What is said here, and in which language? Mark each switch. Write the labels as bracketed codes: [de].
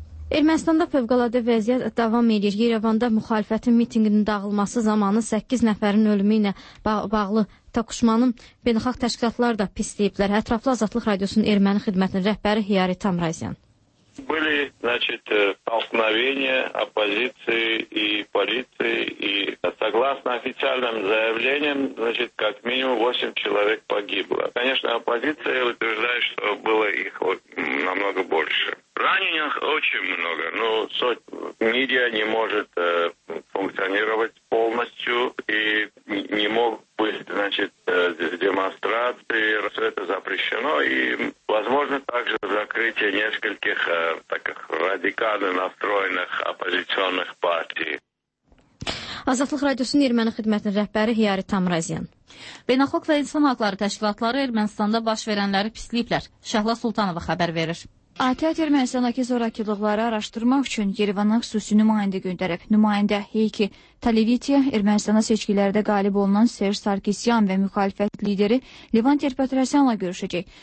[az] Ermənistanda fövqəladə vəziyyət davam edir. Yerevanda müxalifətin mitinginin dağılması zamanı 8 nəfərin ölümü ilə bağlı toqquşmanın beynəlxalq təşkilatlar da pisləyiblər. Ətraflı Azadlıq Radiosunun erməni xidmətinin rəhbəri Hiyari Tamrazyan. [ru] Были, значит, столкновения оппозиции и полиции, и согласно официальным заявлениям, значит, как минимум 8 человек погибло. Конечно, оппозиция утверждает, что было их намного больше. Раненых очень много, но медиа не может функционировать полностью и не мог быть, значит, демонстрации, все это запрещено, и возможно также закрытие нескольких таких радикально настроенных оппозиционных партий. [az] Azadlıq Radiosunun erməni xidmətinin rəhbəri Hiyari Tamrazyan. Beynəlxalq və insan haqları təşkilatları Ermənistanda baş verənləri pisləyiblər. Şəhla Sultanova xəbər verir. ATƏT Ermənistandakı zorakılıqları araşdırmaq üçün Yerevana xüsusi nümayəndə göndərib. Nümayəndə Heiki Talivitiya, Ermənistana seçkilərdə qalib olunan Serj Sarkisyan və müxalifət lideri Levan Terpetrasyanla görüşəcək.